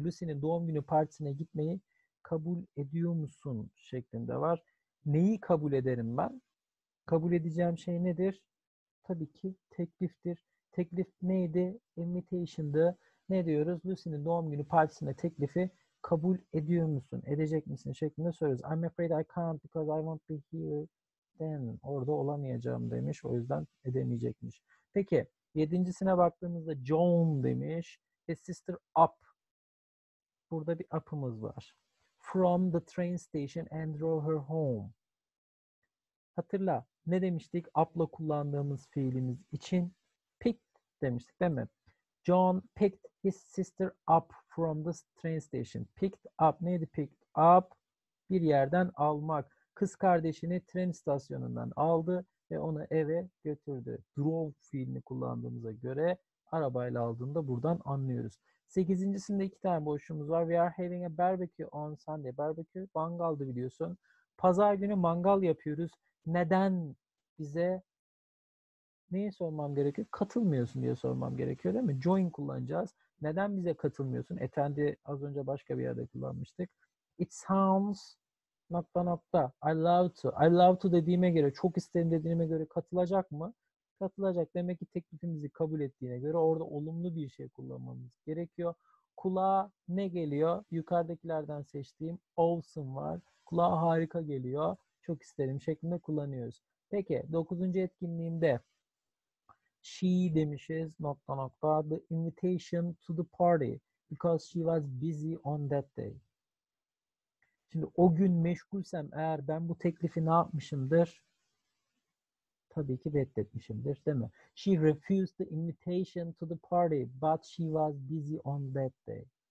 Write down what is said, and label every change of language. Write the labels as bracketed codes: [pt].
[tr] Lucy'nin doğum günü partisine gitmeyi kabul ediyor musun? Şeklinde var. Neyi kabul ederim ben? Kabul edeceğim şey nedir? Tabii ki tekliftir. Teklif neydi? Invitation'dı. Ne diyoruz? Lucy'nin doğum günü partisine teklifi kabul ediyor musun? Edecek misin? Şeklinde soruyoruz. [en] I'm afraid I can't because I won't be here then. [tr] Orada olamayacağım demiş. O yüzden edemeyecekmiş. Peki, yedincisine baktığımızda John demiş. [en] His sister up. [tr] Burada bir up'ımız var. [en] From the train station and drove her home. [tr] Hatırla, ne demiştik? Up'la kullandığımız fiilimiz için picked demiştik, değil mi? [en] John picked his sister up from the train station. [tr] Picked up neydi? Picked up bir yerden almak. Kız kardeşini tren istasyonundan aldı ve onu eve götürdü. Drove fiilini kullandığımıza göre arabayla aldığında buradan anlıyoruz. Sekizincisinde iki tane boşluğumuz var. [en] We are having a barbecue on Sunday. [tr] Barbecue mangaldı biliyorsun. Pazar günü mangal yapıyoruz. Neden bize neyi sormam gerekiyor? Katılmıyorsun diye sormam gerekiyor değil mi? Join kullanacağız. Neden bize katılmıyorsun? Attend'i az önce başka bir yerde kullanmıştık. [en] It sounds [tr] nokta nokta. [en] I love to. I love to [tr] dediğime göre, çok isterim dediğime göre katılacak mı? Katılacak. Demek ki teklifimizi kabul ettiğine göre orada olumlu bir şey kullanmamız gerekiyor. Kulağa ne geliyor? Yukarıdakilerden seçtiğim awesome var. Kulağa harika geliyor. Çok isterim şeklinde kullanıyoruz. Peki, dokuzuncu etkinliğimde she demişiz nokta nokta. [en] The invitation to the party because she was busy on that day. [tr] Şimdi o gün meşgulsem eğer ben bu teklifi ne yapmışımdır? Tabii ki reddetmişimdir, değil mi? [en] She refused the invitation to the party, but she was busy on that day.